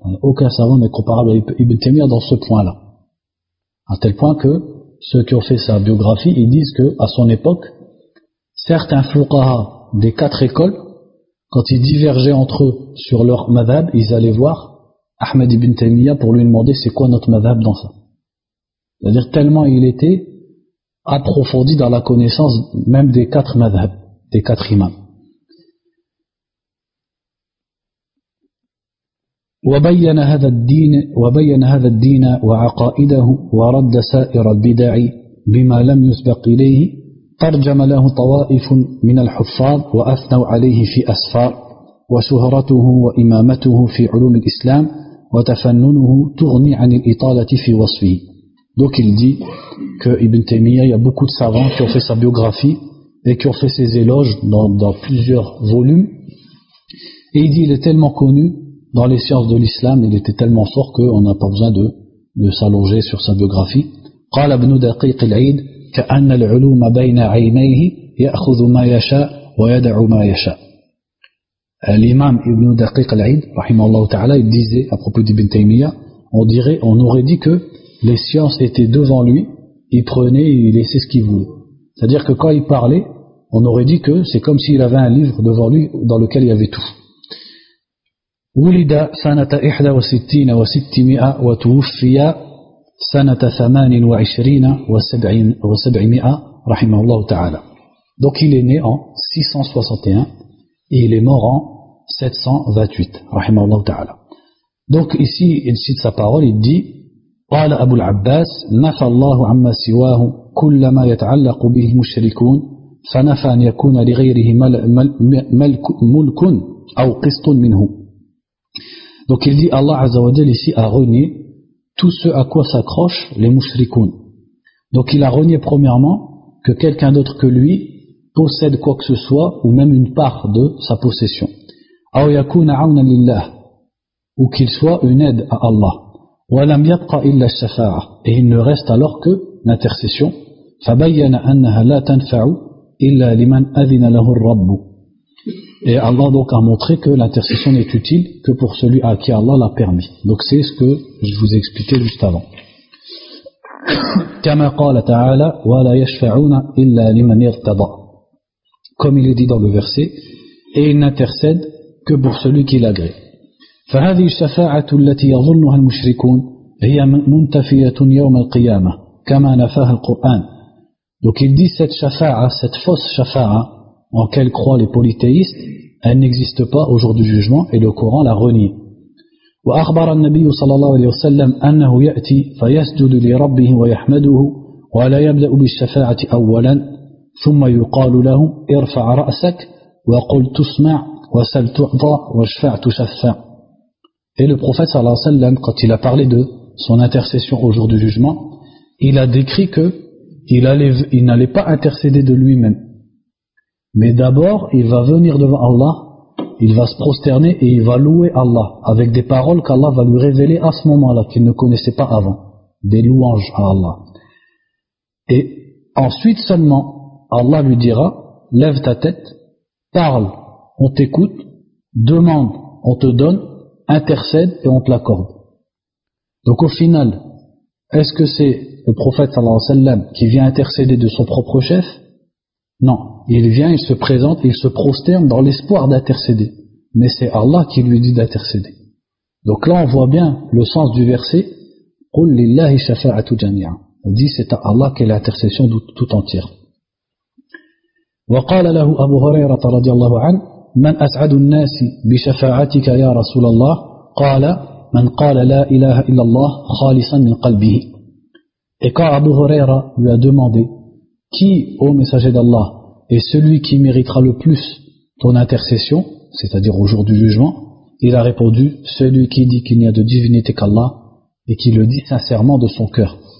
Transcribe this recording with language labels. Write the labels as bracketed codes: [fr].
[fr] Aucun savant n'est comparable à Ibn Taymiyyah dans ce point-là. À tel point que ceux qui ont fait sa biographie, ils disent que à son époque, certains fuqaha des quatre écoles, quand ils divergeaient entre eux sur leur madhab, ils allaient voir Ahmed ibn Taymiyyah pour lui demander c'est quoi notre madhab dans ça. C'est-à-dire tellement il était approfondi dans la connaissance même des quatre madhab, des quatre imams. [ar] وَبَيَّنَ هَذَا الدِّينَ وَعَقَائِدَهُ وَرَدَّ سَائِرَ الْبِدَعِ بِمَا لَمْ يُسْبَقْ إِلَيْهِ ترجم له طوائف من الحفاظ وأثنوا عليه في أسفار وسهرته وإمامته في علوم الإسلام وتفننه تغني عن الإطالة في وصفه. [fr] Donc il dit que Ibn Taymiyyah, il y a beaucoup de savants qui ont fait sa biographie et qui ont fait ses éloges dans plusieurs volumes. Et il dit qu'il est tellement connu dans les sciences de l'islam, il était tellement fort qu'on n'a pas besoin de s'allonger sur sa biographie. [ar] قال ابن دقيق العيد كأن العلوم بين عينيه يأخذ ما يشاء ويدع ما يشاء. [fr] L'imam Ibn Daqiq al-Aid, rahimahullah ta'ala, il disait à propos d'Ibn Taymiyyah, on aurait dit que les sciences étaient devant lui, il prenait et il laissait ce qu'il voulait. C'est-à-dire que quand il parlait, on aurait dit que c'est comme s'il avait un livre devant lui dans lequel il y avait tout. [ar] Wulida sanata 61 wa 600 wa tuwfiya sanata 28 wa 700 rahimahullah ta'ala. [fr] Donc il est né en 661 et il est mort en 728 rahimahullah ta'ala. Donc ici il cite sa parole, il dit: [ar] قال أبو العباس نفى الله عما سواه كل ما يتعلق به المشركون فنفى أن يكون لغيره ملك أو قسط منه. [fr] Donc il dit Allah Azza wa Jalla ici a renié tout ce à quoi s'accrochent les mushrikoun. Donc il a renié premièrement que quelqu'un d'autre que lui possède quoi que ce soit ou même une part de sa possession. [ar] أو يكون عونا لله, [fr] ou qu'il soit une aide à Allah. [ar] وَلَمْ يَبْقَ إِلَّا الشَّفَاعَةِ, [fr] et il ne reste alors que l'intercession. [ar] فَبَيَّنَ أَنَّهَا لَا تَنْفَعُ إِلَّا لِمَنْ أَذِنَ لَهُ الرَّبُّ, [fr] et Allah donc a montré que l'intercession n'est utile que pour celui à qui Allah l'a permis. Donc c'est ce que je vous ai expliqué juste avant. [ar] كَمَا قَالَ تَعَالَى وَلَا يَشْفَعُونَ إِلَّا لِمَنْ يَرْتَضَى, [fr] comme il est dit dans le verset, et il n'intercède que pour celui qui l'agrée. [ar] فهذه الشفاعة التي يظنها المشركون هي منتفية يوم القيامة كما نفاها القرآن. [fr] Donc il dit cette shafa'a, cette fausse shafa'a en quelle croient les polythéistes, elle n'existe pas au jour du jugement et le Coran la renie. [ar] وأخبر النبي صلى الله عليه وسلم أنه يأتي فيسجد لربه ويحمده ولا يبدأ بالشفاعة أولا ثم يقال له ارفع رأسك وقل تسمع وسل تعطى واشفع تشفع. [fr] Et le prophète sallallahu alayhi wa sallam, quand il a parlé de son intercession au jour du jugement, il a décrit que il n'allait pas intercéder de lui-même. Mais d'abord, il va venir devant Allah, il va se prosterner et il va louer Allah avec des paroles qu'Allah va lui révéler à ce moment-là, qu'il ne connaissait pas avant. Des louanges à Allah. Et ensuite seulement, Allah lui dira, lève ta tête, parle, on t'écoute, demande, on te donne, intercède et on te l'accorde. Donc au final, est-ce que c'est le prophète sallallahu alayhi wa sallam qui vient intercéder de son propre chef? Non, il vient, il se présente, il se prosterne dans l'espoir d'intercéder. Mais c'est Allah qui lui dit d'intercéder. Donc là on voit bien le sens du verset « [ar] قُلْ لِلَّهِ شَفَاعَةُ جَمِيعًا [fr] » On dit c'est à Allah qui est l'intercession tout entière. [ar] « وَقَالَ لَهُ أَبُو هُرَيْرَةَ رَضِيَ اللَّهُ عَنْهُ من أسعد الناس بشفاعتك يا رسول الله قال من قال لا إله إلا الله خالصا من قلبه. [fr] Et quand Abu Huraira lui a demandé qui, ô messager d'Allah, est celui qui méritera le plus ton intercession, c'est-à-dire au jour du jugement, il a répondu celui qui dit qu'il n'y a de divinité qu'Allah et qui le dit sincèrement de son cœur.